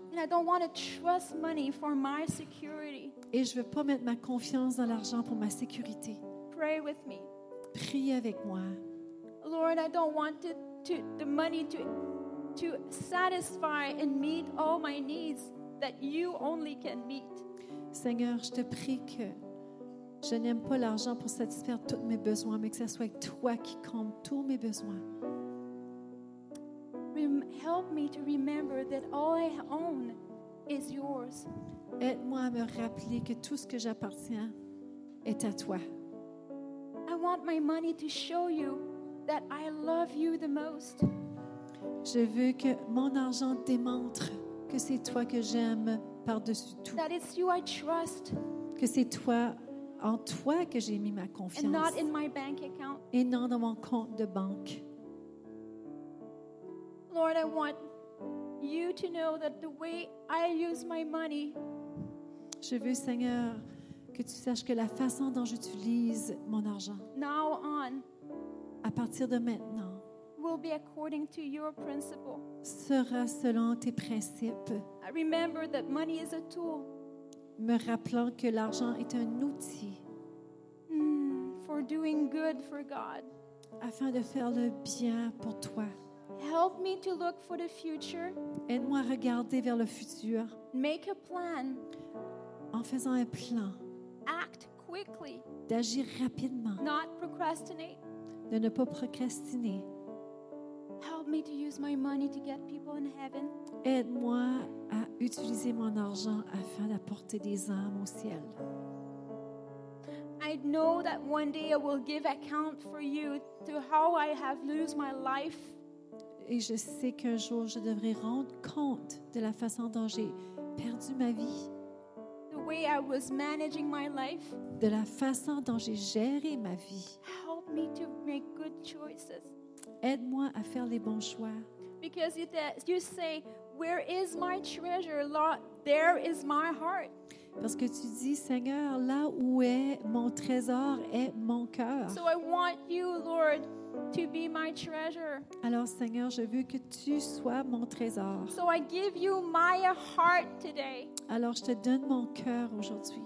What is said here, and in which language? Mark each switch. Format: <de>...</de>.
<en>And I don't want to trust money for my security.</en> <fr>Et je veux pas mettre ma confiance dans l'argent pour ma sécurité.</fr> <en>Pray with me.</en> <fr>Prie avec moi.</fr> <en>Lord, I don't want the money to satisfy and meet all my needs that you only can meet.</en> <fr>Seigneur, je te prie que je n'aime pas l'argent pour satisfaire tous mes besoins, mais que ce soit toi qui comble tous mes besoins.</fr> <en>Help me to remember that all I own is yours.</en> <fr>Aide-moi à me rappeler que tout ce que j'appartiens est à toi.</fr> <en>I want my money to show you that I love you the most.</en> <fr>Je veux que mon argent démontre que c'est toi que j'aime par-dessus tout.</fr> <en>That it's you I trust.</en> <fr>Que c'est toi, en toi que j'ai mis ma confiance.</fr> <en>And not in my bank account.</en> <fr>Et non dans mon compte de banque.</fr> <en>Lord, I want you to know that the way I use my money.</en> <fr>Je veux, Seigneur, que tu saches que la façon dont j'utilise mon argent.</fr> <en>Now on.</en> <fr>À partir de maintenant,</fr> <en>will be according to your principle.</en> <fr>Sera selon tes principes.</fr> <en>I remember that money is a tool.</en> <fr>Me rappelant que l'argent est un outil.</fr> <en>For doing good for God.</en> <fr>Afin de faire le bien pour toi.</fr> <en>Help me to look for the future.</en> <fr>Aide-moi à regarder vers le futur.</fr> <en>Make a plan.</en> <fr>En faisant un plan.</fr> <en>Act quickly.</en> <fr>D'agir rapidement.</fr> <en>Not procrastinate.</en> <fr>De ne pas procrastiner.</fr> <en>Help me to use my money to get people in heaven.</en> <fr>Aide-moi à utiliser mon argent afin d'apporter des âmes au ciel.</fr> <en>I know that one day I will give account for you to how I have lost my life.</en> <fr>Et je sais qu'un jour je devrai rendre compte de la façon dont j'ai perdu ma vie.</fr> <en>The way I was managing my life.</en> <fr>De la façon dont j'ai géré ma vie.</fr> <en>Me to make good choices.</en> <fr>Aide-moi à faire les bons choix.</fr> <en>Because you say, where is my treasure, Lord? There is my heart.</en> <fr>Parce que tu dis, Seigneur, là où est mon trésor est mon cœur.</fr> <en>So I want you, Lord, to be my treasure.</en> <fr>Alors, Seigneur, je veux que tu sois mon trésor.</fr> <en>So I give you my heart today.</en> <fr>Alors, je te donne mon cœur aujourd'hui.</fr>